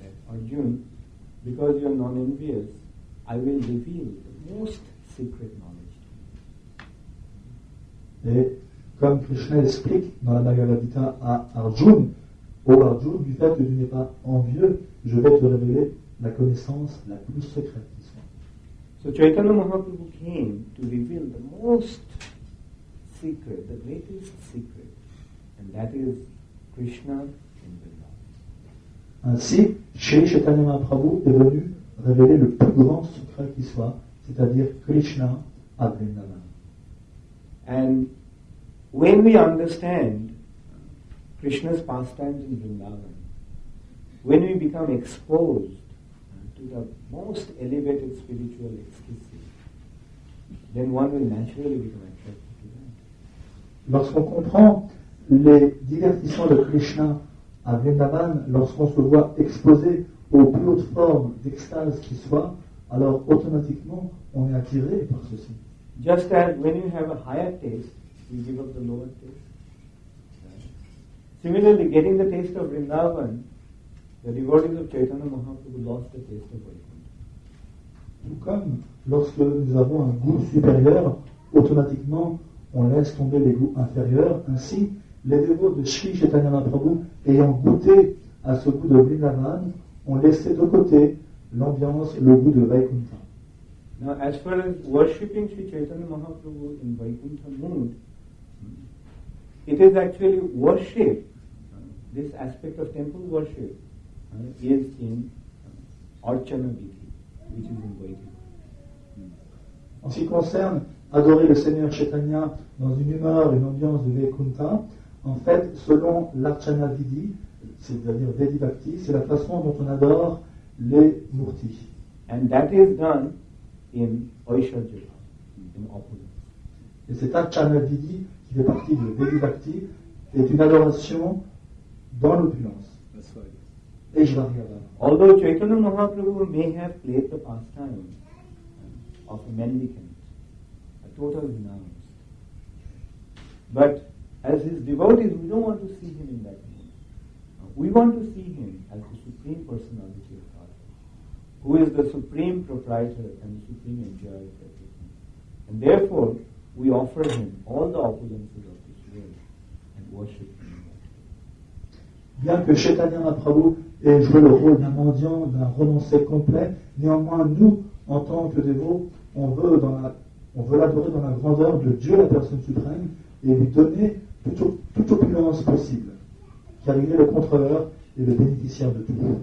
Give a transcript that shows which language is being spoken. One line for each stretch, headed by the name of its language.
English: Arjuna, because you are non-envious, I will reveal the most secret knowledge.
French: Et comme Krishna explique dans la Bhagavad Gita à Arjuna, ô Arjuna, du fait que tu n'es pas envieux, je vais te révéler la connaissance la plus secrète qui soit.
English: So Chaitanya Mahaprabhu came to reveal the most secret, the greatest secret, and that is Krishna in Vrindavan.
French: Ainsi, Sri Chaitanya Mahaprabhu est venu révéler le plus grand secret qui soit, c'est-à-dire Krishna à Vrindavan.
English: And when we understand Krishna's pastimes in Vrindavan, when we become exposed to the most elevated spiritual ecstasy, then one will naturally become attracted to that.
French: Lorsqu'on comprend les divertissements de Krishna à Vrindavan, lorsqu'on se voit exposé aux plus hautes formes d'extase qui soient, alors automatiquement on est attiré par ceci.
English: Just as when you have a higher taste, you give up the lower taste. Right? Similarly, getting the taste of Vrindavan, the devotees of Chaitanya Mahaprabhu lost the taste of Vaikuntha.
French: Tout comme lorsque nous avons un goût supérieur, automatiquement on laisse tomber les goûts inférieurs. Ainsi, les dévots de Sri Chaitanya Mahaprabhu ayant goûté à ce goût de Vrindavan ont laissé de côté l'ambiance, le goût de Vaikuntha.
English: Now, as far as worshipping Sri Chaitanya Mahaprabhu in Vaikuntha mood, it is actually worship. This aspect of temple worship is in Archana Vidhi, which is in Vaikuntha.
French: En ce qui concerne adorer le Seigneur Chaitanya dans une humeur, une ambiance de Vaikuntha, en fait, selon l'Archana Vidhi, c'est-à-dire Vedi Bhakti, c'est la façon dont on adore les Murtis.
English: And that is done in Aishwarya, in opulence.
French: Et cet Archana Vidhi, qui fait partie de Vedi Bhakti, est une adoration dans l'opulence. Aishwarya.
English: Although Chaitanya Mahaprabhu may have played the pastime of a mendicant, a total renounced, but as his devotees, we don't want to see him in that mood. We want to see him as the Supreme Personality of Godhead, who is the supreme proprietor and the supreme enjoyer of everything. And therefore, we offer him all the opulences of this world and worship him.
French: Bien que Chaitanya Mahaprabhu ait joué le rôle d'un mendiant, d'un renoncé complet, néanmoins, nous, en tant que dévots, on veut l'adorer dans la grandeur de Dieu, la personne suprême, et lui donner toute opulence possible, car il est le contrôleur et le bénéficiaire de tout.